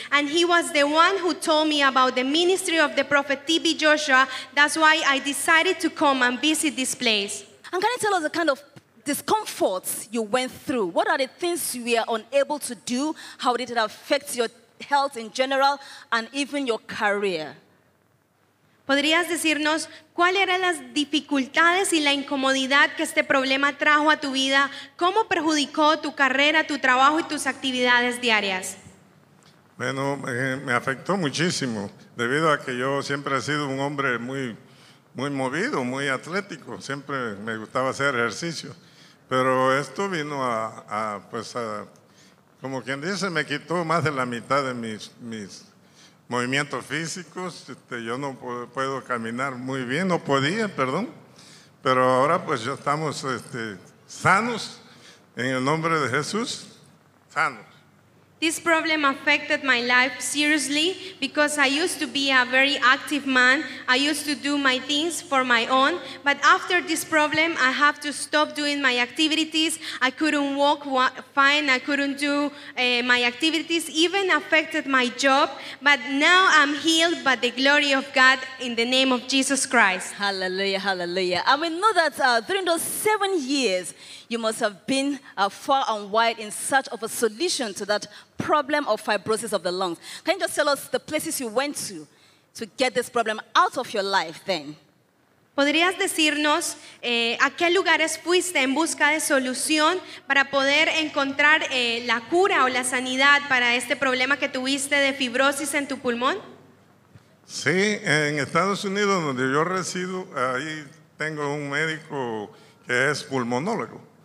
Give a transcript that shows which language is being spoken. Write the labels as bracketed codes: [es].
[en] And he was the one who told me about the ministry of the prophet T.B. Joshua. That's why I decided to come and visit this place. And can you tell us the kind of discomforts you went through? What are the things you were unable to do? How did it affect your health in general and even your career? [es] ¿Podrías decirnos cuáles eran las dificultades y la incomodidad que este problema trajo a tu vida? ¿Cómo perjudicó tu carrera, tu trabajo y tus actividades diarias? Bueno, me afectó muchísimo, debido a que yo siempre he sido un hombre muy movido, muy atlético. Siempre me gustaba hacer ejercicio. Pero esto vino a como quien dice, me quitó más de la mitad de mis movimientos físicos. Yo no puedo caminar muy bien, no podía, perdón. Pero ahora pues ya estamos sanos en el nombre de Jesús, sanos. [en] This problem affected my life seriously because I used to be a very active man. I used to do my things for my own. But after this problem, I have to stop doing my activities. I couldn't walk fine. I couldn't do my activities. Even affected my job. But now I'm healed by the glory of God in the name of Jesus Christ. Hallelujah, hallelujah. I mean, know that during those 7 years, you must have been far and wide in search of a solution to that problem of fibrosis of the lungs. Can you just tell us the places you went to get this problem out of your life then? [es] ¿Podrías decirnos a qué lugares fuiste en busca de solución para poder encontrar la cura o la sanidad para este problema que tuviste de fibrosis en tu pulmón? Sí, en Estados Unidos, donde yo resido, ahí tengo un médico que es pulmonólogo.